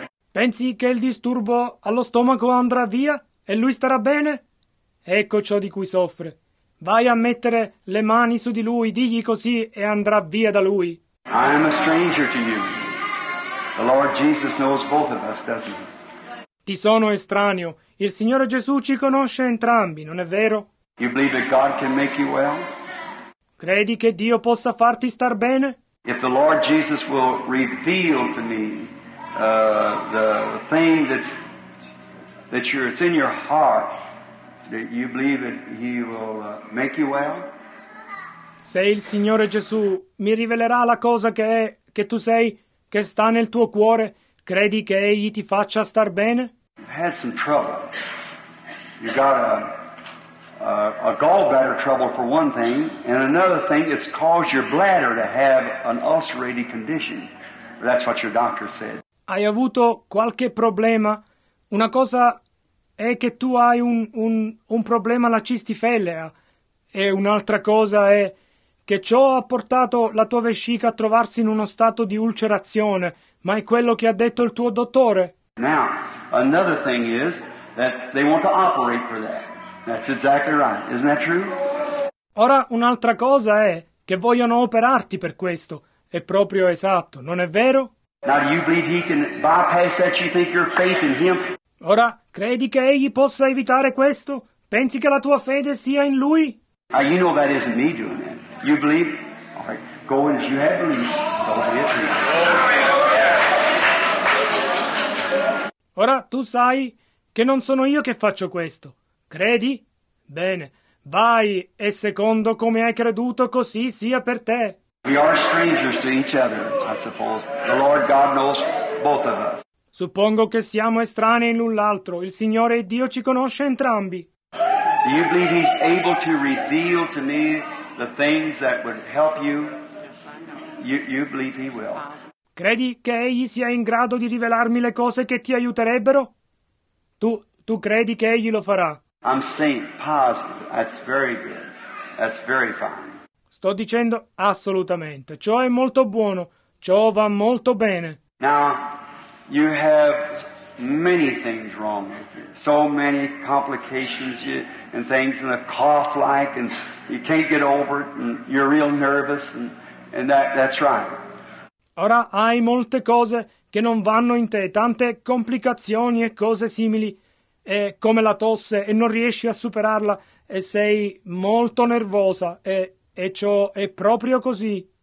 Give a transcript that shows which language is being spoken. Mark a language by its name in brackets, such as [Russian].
[Italian] Pensi che il disturbo allo stomaco andrà via e lui starà bene? Ecco ciò di cui soffre. Vai a mettere le mani su di lui, digli così e andrà via da lui. [English] I am a stranger to you. The Lord Jesus knows both of us, doesn't he? [Italian] Ti sono estraneo. Il Signore Gesù ci conosce entrambi, non è vero? [English] You believe that God can make you well? [Italian] Credi che Dio possa farti star bene? [English] If the Lord Jesus will reveal to me the thing that's in your heart, that you believe that he will make you well? [Italian] Se il Signore Gesù mi rivelerà la cosa che sta nel tuo cuore, credi che egli ti faccia star bene? [English] You've had some trouble. You got a gallbladder trouble for one thing, and another thing, it's caused your bladder to have an ulcerated condition. That's what your doctor said. [Italian] Hai avuto qualche problema? Una cosa è che tu hai un problema alla cistifellea, e un'altra cosa è che ciò ha portato la tua vescica a trovarsi in uno stato di ulcerazione, ma è quello che ha detto il tuo dottore. [English] Now, another thing is that they want to operate for that. That's exactly right. Isn't that true? [Italian] Ora, un'altra cosa è che vogliono operarti per questo. È proprio esatto, non è vero? [English] Now, do you believe he can bypass that? You think your faith in him? [Italian] Ora, credi che egli possa evitare questo? Pensi che la tua fede sia in lui? [English] Now, you know that isn't me doing that. You believe? All right. Go in as you have believed. So be it. [Italian] Ora, tu sai che non sono io che faccio questo. Credi? Bene. Vai, e secondo come hai creduto, così sia per te. [English] We are strangers to each other, I suppose. The Lord God knows both of us. [Italian] Suppongo che siamo estranei l'un l'altro. Il Signore Dio ci conosce entrambi. [English] Do you believe He's able to reveal to me the things that would help you? Yes, I know. You believe He will. [Italian] Credi che Egli sia in grado di rivelarmi le cose che ti aiuterebbero? Tu credi che Egli lo farà? [English] I'm saying positive. That's very good. That's very fine. [Italian] Sto dicendo assolutamente. Ciò è molto buono. Ciò va molto bene. [English] Now, you have many things wrong with you. So many complications and things and a cough-like and you can't get over it and you're real nervous and that's right. [Italian] Ora hai molte cose che non vanno in te, tante complicazioni e cose simili, come la tosse, e non riesci a superarla, e sei molto nervosa, e ciò è proprio così.